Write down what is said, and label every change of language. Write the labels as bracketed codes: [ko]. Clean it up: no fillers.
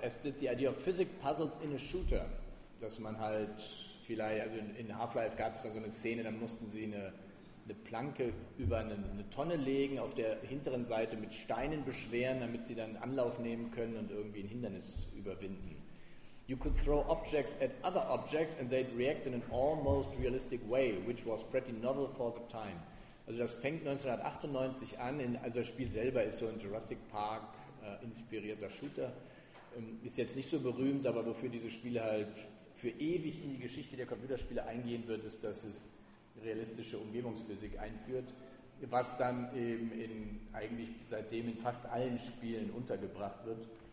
[en] As did the idea of physics puzzles in a shooter. [de] Dass man halt vielleicht, also in Half-Life gab es da so eine Szene, dann mussten sie eine Planke über eine Tonne legen, auf der hinteren Seite mit Steinen beschweren, damit sie dann Anlauf nehmen können und irgendwie ein Hindernis überwinden. [en] You could throw objects at other objects and they'd react in an almost realistic way, which was pretty novel for the time. [de] Also das fängt 1998 an, also das Spiel selber ist so ein Jurassic Park inspirierter Shooter. Ist jetzt nicht so berühmt, aber wofür diese Spiele halt für ewig in die Geschichte der Computerspiele eingehen wird, ist, dass es realistische Umgebungsphysik einführt, was dann eben in eigentlich seitdem in fast allen Spielen untergebracht wird.